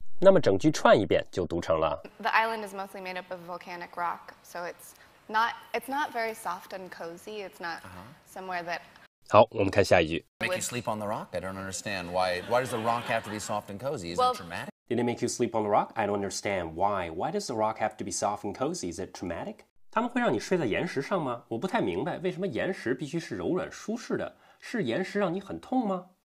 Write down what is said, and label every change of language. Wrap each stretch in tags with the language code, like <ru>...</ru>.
<zh>那么整句串一遍就读成了。</zh> <en>The island is mostly made up of volcanic rock, so it's not very soft and cozy. It's not somewhere that.</en> <zh>好，我们看下一句。</zh> <en>Make you sleep on the rock? I don't understand why. Why does the rock have to be soft and cozy? Is it traumatic? Did they make you sleep on the rock? I don't understand why. Why does the rock have to be soft and cozy? Is it traumatic?</en> <zh>他们会让你睡在岩石上吗？我不太明白为什么岩石必须是柔软舒适的，是岩石让你很痛吗？</zh>